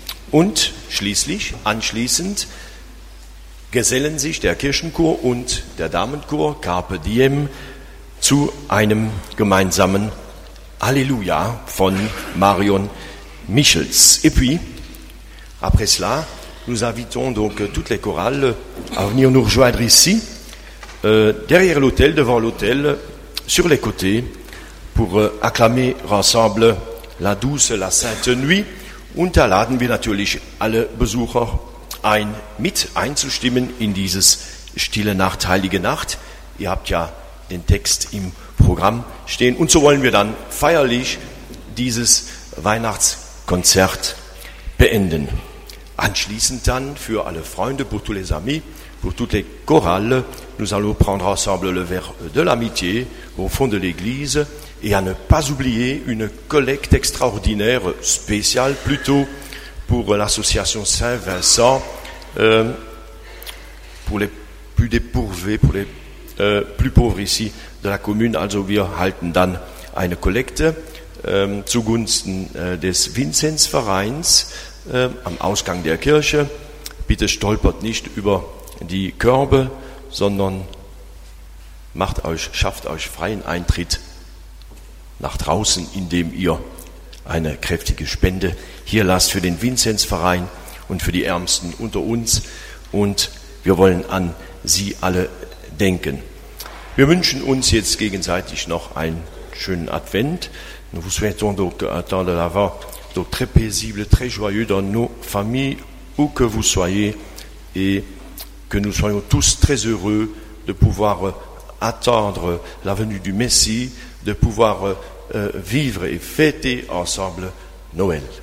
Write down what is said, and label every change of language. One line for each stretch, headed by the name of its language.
German: Und schließlich, anschließend, gesellen sich der Kirchenchor und der Damenchor Carpe Diem zu einem gemeinsamen Alléluia von Marion Michels.
French: Et puis, après cela, nous invitons donc toutes les chorales à venir nous rejoindre ici, derrière l'autel, devant l'autel, sur les côtés, pour acclamer ensemble la douce, la sainte nuit.
German: Und da laden wir natürlich alle Besucher ein, mit einzustimmen in dieses stille Nacht, heilige Nacht. Ihr habt ja den Text im Programm stehen. Und so wollen wir dann feierlich dieses Weihnachtskonzert beenden. Anschließend dann für alle Freunde,
French: pour tous les amis, pour toutes les chorales, nous allons prendre ensemble le verre de l'amitié au fond de l'église. Et à ne pas oublier une collecte extraordinaire, spéciale plutôt, pour l'association Saint-Vincent, pour les plus dépourvus, pour les plus pauvres ici de la commune.
German: Also wir halten dann eine Kollekte zugunsten des Vinzenzvereins am Ausgang der Kirche. Bitte stolpert nicht über die Körbe, sondern macht euch, schafft euch freien Eintritt nach draußen, indem ihr eine kräftige Spende hier lasst für den Vinzenzverein und für die Ärmsten unter uns. Und wir wollen an sie alle denken. Wir wünschen uns jetzt gegenseitig noch einen schönen Advent.
French: Nous vous souhaitons donc un temps de l'Avent, donc très paisible, très joyeux dans nos familles, où que vous soyez, et que nous soyons tous très heureux de pouvoir attendre la venue du Messie, de pouvoir vivre et fêter ensemble Noël.